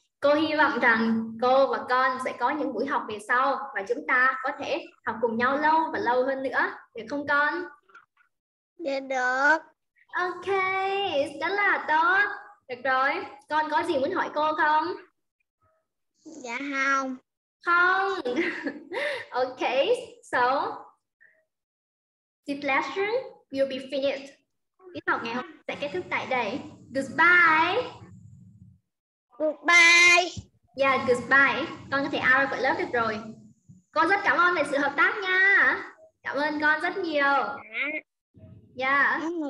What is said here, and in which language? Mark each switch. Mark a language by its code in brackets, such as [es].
[vi] Cô hy vọng rằng cô và con sẽ có những buổi học về sau và chúng ta có thể học cùng nhau lâu và lâu hơn nữa, được không con? Dạ được. Ok, rất là tốt. Được rồi, con có gì muốn hỏi cô không? Dạ không. Không. [en] Ok, so this lesson will be finished. [vi] Buổi học ngày hôm nay sẽ kết thúc tại đây. [en] Goodbye. Goodbye. Yeah, goodbye. [vi] Con có thể out của lớp được rồi. Con rất cảm ơn về sự hợp tác nha. Cảm ơn con rất nhiều. Yeah.